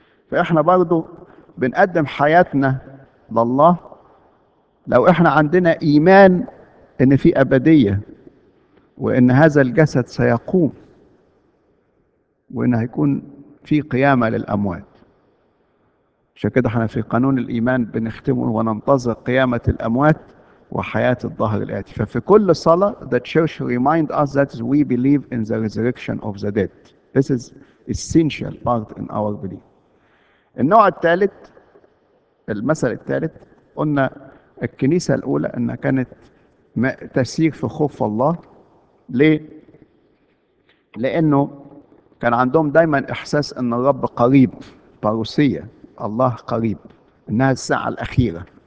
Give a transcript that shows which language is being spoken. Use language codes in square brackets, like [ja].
[ar] فاحنا برضو بنقدم حياتنا لله لو احنا عندنا ايمان ان في ابديه، وان هذا الجسد سيقوم، وان هيكون في قيامة للأموات. عشان كده احنا في قانون الإيمان بنختمه وننتظر قيامة الأموات وحياة الظهر الآتي. ففي كل صلاة [en] the church remind us that we believe in the resurrection of the dead. This is essential part in our belief. [ar] النوع الثالث، المثل الثالث، قلنا الكنيسة الأولى أنها كانت تسير في خوف الله. ليه؟ لأنه كان عندهم دايما احساس ان الرب قريب، باروسيه، الله قريب، انها الساعه الاخيره.